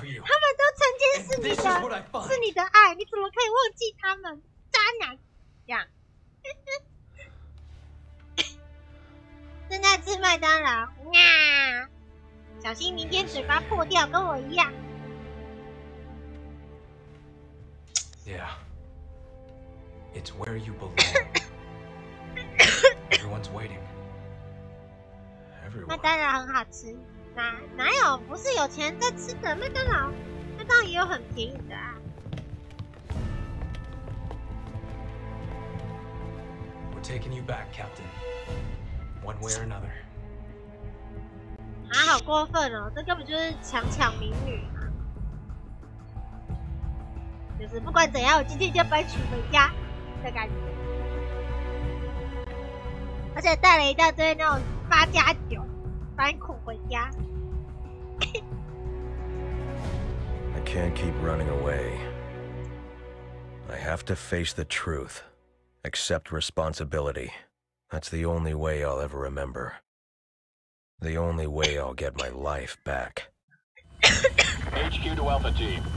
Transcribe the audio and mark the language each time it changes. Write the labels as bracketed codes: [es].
[zh] 他们都曾经是你的是你的爱，你怎么可以忘记他们，渣男呀。正在吃麦当劳，啊，小心明天嘴巴破掉，跟我一样。 [en] Yeah, it's where you belong. Everyone's waiting. Everyone. [zh] 麦当劳很好吃。哪有，不是有钱在吃的，麦当劳那当然也有很便宜的啊。 [en] We're taking you back, Captain. One way or another. [zh] 啊，好过分哦，这根本就是抢民女嘛。就是不管怎样，我今天就要把你娶回家的感觉。而且带了一大堆那种八加九，把你娶回家。 [en] I can't keep running away. I have to face the truth. Accept responsibility. That's the only way I'll ever remember. The only way I'll get my life back. HQ to Alpha Team.